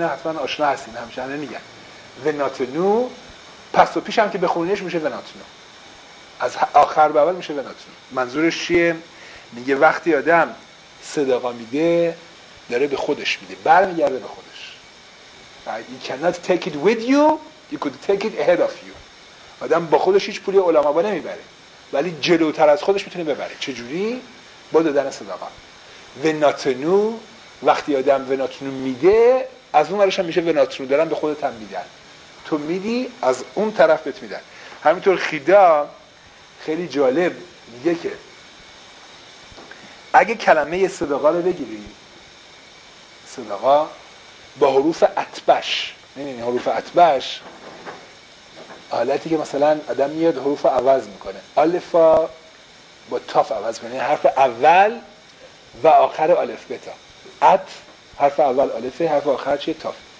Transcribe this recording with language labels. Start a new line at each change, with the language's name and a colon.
Persian: اینه حتما آشنا هستین، همچنه میگن و نتنو، پس و پیش هم که بخونینش میشه و نتنو، از آخر به اول میشه بناتون. منظورش چیه؟ میگه وقتی آدم صدقه میده داره به خودش میده، برمیگرده به خودش.
English: You cannot take it with you, you could take it ahead of you.
Persian: آدم با خودش هیچ پولی علما با نمیبره، ولی جلوتر از خودش میتونه ببره. چجوری؟ با دادن صدقه. وناتنو، وقتی آدم وناتنو میده از اون ورش هم میشه وناتنو، دارن به خودت هم میدن. تو میدی از اون طرف بهت میدن. همینطور خیدا خیلی جالب میگه که اگه کلمه صدقه رو بگیری، صدقه با حروف اتبش، نمیدونی حروف اتبش حالتی که مثلا آدم میاد حروف عوض میکنه، الفا با تاف عوض میکنه، حرف اول و آخر الف بتا، ات حرف اول الفه، حرف آخر چیه؟ تاف.